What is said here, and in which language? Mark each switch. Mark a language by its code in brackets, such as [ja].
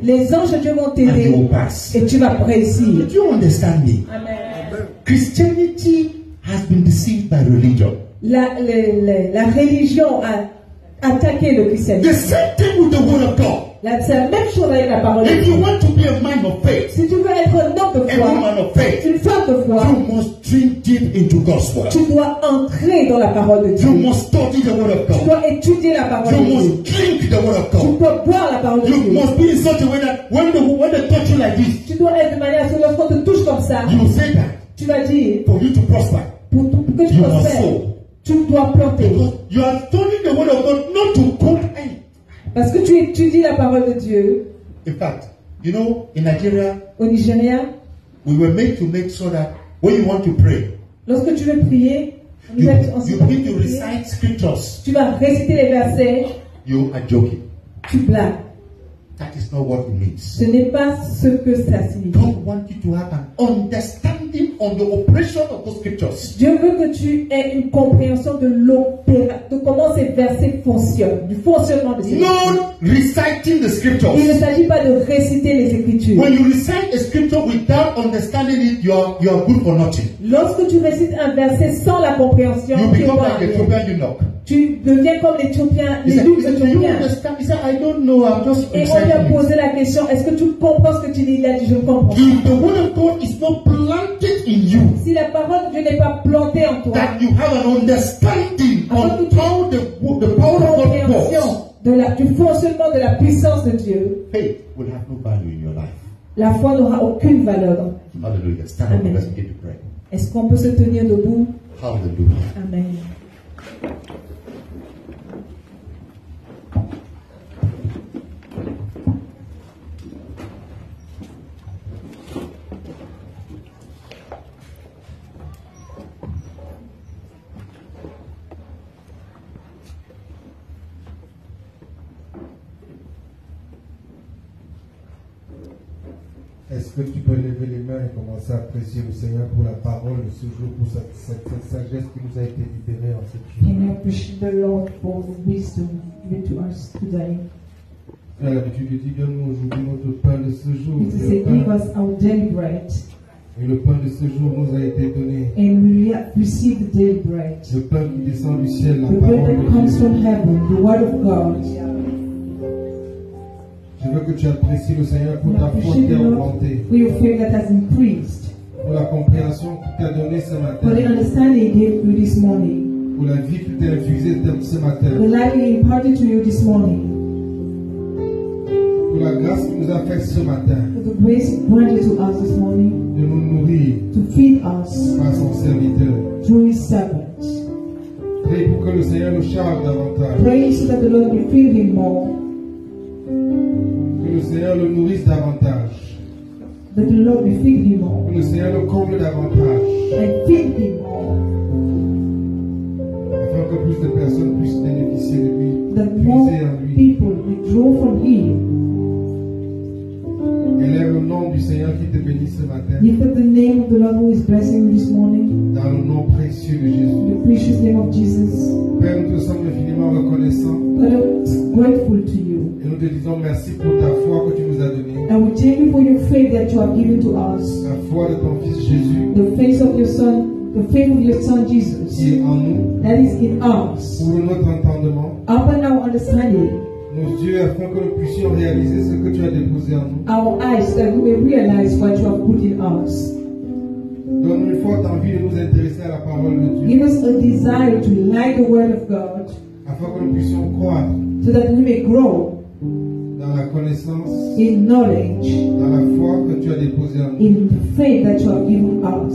[fr] Les anges de Dieu vont t'aider. [en] And you will pass. [fr] Et tu vas réussir. [en] Do you understand me? Amen. Christianity has been deceived by religion. [fr] La religion a attaquer le christianisme. [en] The same thing with the word of God. [fr] C'est la même chose avec la parole. [en] If you want to be a man of faith, [fr] si tu veux être un homme de foi, [en] a woman of faith, [fr] une femme de foi, [en] you must drink deep into God's word. [fr] Tu dois entrer dans la parole de Dieu. [en] You must study the word of God. [fr] Tu dois étudier la parole [en] you [fr] de Dieu. [en] You must drink the word of God. [fr] Tu dois boire la parole [en] you [fr] de Dieu. [en] You must be in such a way that when they touch you like this, [fr] tu dois être de manière que lorsqu'on te touche comme ça, [en] you say that. [fr] Tu vas dire. [en] For you to prosper. [fr] Pour que tu prospères. Tu dois planter. [en] Because you are studying the word of God not to put any. [fr] Parce que tu étudies la parole de Dieu. [en] In fact, you know, in Nigeria, [fr] au Nigeria, [en] we were made to make sure that when you want to pray, [fr] lorsque tu veux prier, [en] you begin to recite scriptures. [fr] Tu vas réciter les versets. [en] You are joking. [fr] Tu blagues. [en] That is not what it means. [fr] Ce n'est pas ce que ça signifie. [en] God wants you to have an understanding on the operation of those scriptures. [fr] Dieu veut que tu aies une compréhension de comment ces versets fonctionnent, du fonctionnement de ces [en] scriptures. Not reciting the scriptures. [fr] Il ne s'agit pas de réciter les écritures. [en] When you recite a scripture without understanding it, you are good for nothing. [fr] Lorsque tu récites un verset sans la compréhension, [en] you become like the Ethiopian eunuch. [fr] Tu deviens comme l'Éthiopien, les loups d'Éthiopien. Et on vient poser la question, est-ce que tu comprends ce que tu dis là? Je comprends. [en] If the word of God is not planted in you, [fr] si la parole de Dieu n'est pas plantée en toi, [en] that you have an understanding on how the power of God works, [fr] du fonctionnement de la puissance de Dieu, [en] faith will have no value in your life. [fr] La foi n'aura aucune valeur. [en] Hallelujah. Stand up and begin to pray. [fr] Est-ce qu'on peut se tenir debout? Hallelujah. Amen. Est-ce que tu peux lever les mains et commencer à apprécier le Seigneur pour la parole de ce jour, pour cette sagesse qui nous a été libérée en cette journée? [en] Can you appreciate the Lord for the wisdom given to us today? [fr] Tu as l'habitude de dire, donne-nous aujourd'hui notre pain de ce jour. [en] It is to say, give us our daily bread. [fr] Et le pain de ce jour nous a été donné. [en] And we have received the daily bread. [fr] Le pain qui descend du ciel, la [en] the [fr] parole [en] bread that comes from heaven, the word of God. [fr] Je veux que tu apprécies le Seigneur pour ta foi qui a augmenté. [en] For your faith that has increased. [fr] Pour la compréhension qu'il t'a donnée ce matin. [en] For the understanding he gave you this morning. [fr] Pour la vie qu'il t'a infusée ce matin. [en] The life he imparted to you this morning. [fr] Pour la grâce qu'il nous a faite ce matin. [en] For the grace granted to us this morning. [fr] De nous nourrir. [en] To feed us. [fr] Par son serviteur. [en] Through his servant. [fr] Prie pour que le Seigneur nous charge davantage. [en] Pray so that the Lord will fill him more. [fr] Que le Seigneur le nourrisse davantage. [en] That the Lord will feed him more. [fr] Que le Seigneur le comble davantage. [en] And feed him more. [fr] plus de personnes puissent bénéficier de lui, [en] that more people withdraw from him. [fr] Élève le nom du Seigneur qui te bénit ce matin. [en] Lift up the name of the Lord who is blessing you this morning. [fr] Dans le nom précieux de Jésus. [en] The precious name of Jesus. [fr] Père, nous te sommes infiniment reconnaissants. [en] We are grateful to you. [fr] Et nous te disons merci pour ta foi que tu nous as donnée. [en] And we thank you for your faith that you have given to us. [fr] La foi de ton fils Jésus. [en] The faith of your son. The faith of your son Jesus. [fr] Qui est en nous. [en] That is in us. [fr] Pour notre entendement. [en] Open our understanding. [fr] Nos yeux afin que nous puissions réaliser ce que tu as déposé en nous. [en] Our eyes that we may realize what you have put in us. [fr] Donne-nous une forte envie de nous intéresser à la parole de Dieu. [en] Give us a desire to like the word of God. [fr] Afin que nous puissions croître. [en] So that we may grow. [fr] Dans la connaissance. [en] In knowledge. [fr] Dans la foi que tu as déposé en nous. [en] In the faith that you have given us.